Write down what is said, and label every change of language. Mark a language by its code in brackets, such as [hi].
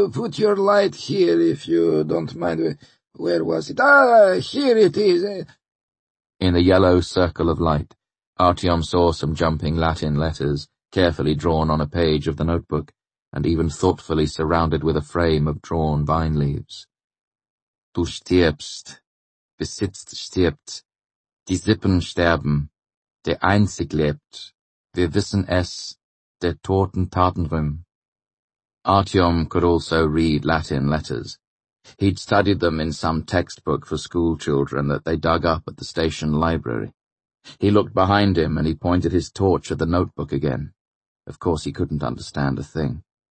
[en] Put your light here, if you don't mind. Where was it? Here it is. In the yellow circle of light, Artyom saw some jumping Latin letters, carefully drawn on a page of the notebook, and even thoughtfully surrounded with a frame of drawn vine leaves. [de] Du stirbst, besitzt stirbt, die Sippen sterben, der einzig lebt, wir wissen es, der Toten Tatenrum. [en] Artyom could also read Latin letters. He'd studied them in some textbook for school children that they dug up at the station library. He looked behind him and he pointed his torch at the notebook again. Of course he couldn't understand a thing.